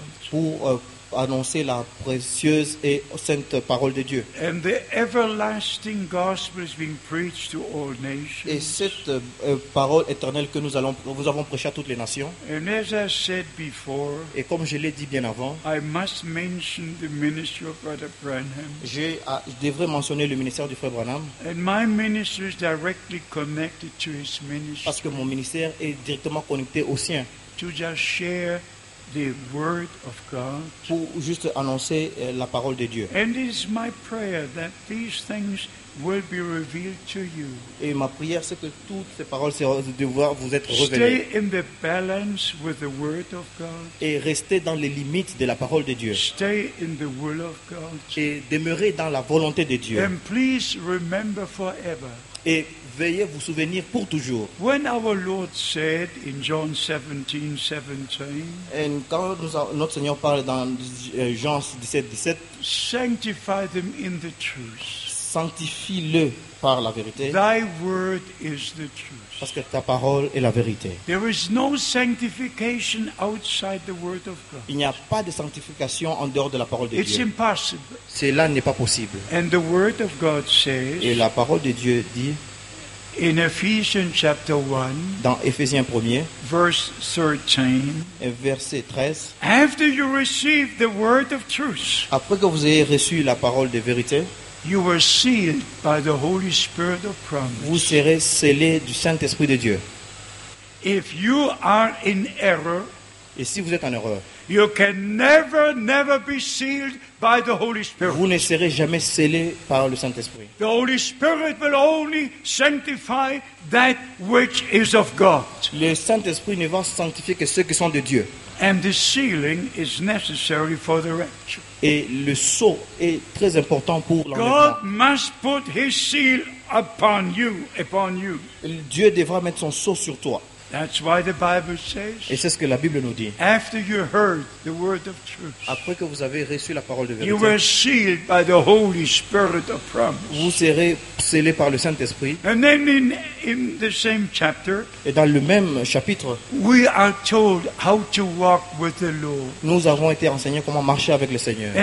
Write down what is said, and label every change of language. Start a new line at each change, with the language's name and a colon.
French: Pour annoncer la précieuse et sainte parole de Dieu.
English: And the everlasting gospel is being preached to all nations.
French: Et cette parole éternelle que nous avons prêchée à toutes les nations.
English: And as I said before,
French: et comme je l'ai dit bien avant,
English: I must mention the ministry of Brother Branham.
French: Je devrais mentionner le ministère du frère Branham.
English: And my ministry is directly connected to his ministry.
French: Parce que mon ministère est directement connecté au sien.
English: To just share the word of God.
French: Pour juste annoncer la parole de Dieu.
English: And it is my prayer that these things will be revealed to you.
French: Et ma prière c'est que toutes ces paroles devront vous être révélées.
English: Stay in the balance with the word of God.
French: Et restez dans les limites de la parole de Dieu.
English: Stay in the will of God.
French: Et demeurez dans la volonté de Dieu.
English: And please remember forever.
French: et veuillez vous souvenir pour toujours.
English: When our Lord said in John 17:17,
French: et quand notre Seigneur parle dans Jean 17:17,
English: sanctify them in the truth.
French: Sanctifie-le par la vérité.
English: Thy word is the truth.
French: Parce que ta parole est la vérité.
English: There is no sanctification outside the word of God.
French: Il n'y a pas de sanctification en dehors de la parole de
English: It's
French: Dieu.
English: It's impossible.
French: Cela n'est pas possible.
English: And the word of God says.
French: Et la parole de Dieu dit.
English: In Ephesians chapter 1.
French: Dans Éphésiens 1er.
English: Verse 13.
French: Et verset 13.
English: After you receive the word of truth.
French: Après que vous ayez reçu la parole de vérité.
English: You were sealed by the Holy Spirit of promise.
French: Vous serez scellé du Saint-Esprit de Dieu.
English: If you are in error,
French: et si vous êtes en erreur,
English: you can never, never be sealed by the Holy Spirit.
French: Vous ne serez jamais scellé par le Saint-Esprit.
English: The Holy Spirit will only sanctify that which is of God.
French: Le Saint-Esprit ne va sanctifier que ceux qui sont de Dieu.
English: And the sealing is necessary for the rapture.
French: Et le sceau est très important pour
English: God must put his seal upon you.
French: Dieu devra mettre son sceau sur toi.
English: That's why the Bible says.
French: Et c'est ce que la Bible nous dit.
English: After you heard the word of truth.
French: Après que vous avez reçu la parole de vérité.
English: You were sealed by the Holy Spirit of promise.
French: Vous serez scellé par le Saint-Esprit.
English: And then in the same chapter.
French: Et dans le même chapitre.
English: We are told how to walk with the Lord.
French: Nous avons été enseignés comment marcher avec le Seigneur.